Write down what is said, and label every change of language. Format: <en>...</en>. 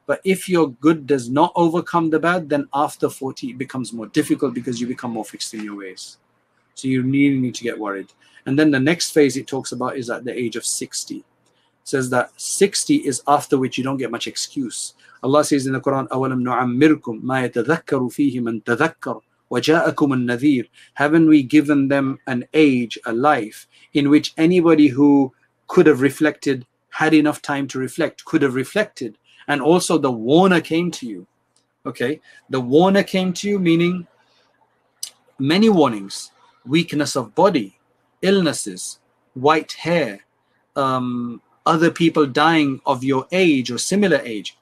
<en>But if your good does not overcome the bad, then after 40, it becomes more difficult because you become more fixed in your ways. So you really need to get worried. And then the next phase it talks about is at the age of 60. It says that 60 is after which you don't get much excuse. Allah says in the Quran,</en> <ar>أَوَلَمْ نُعَمِّرْكُمْ مَا يَتَذَكَّرُ فِيهِ مَنْ تَذَكَّرُ وَجَاءَكُمُ النَّذِيرُ.</ar> <en>Haven't we given them an age, a life, in which anybody who could have reflected, had enough time to reflect, could have reflected. And also the warner came to you. Okay, the warner came to you, meaning many warnings, weakness of body, illnesses, white hair, other people dying of your age or similar age.</en>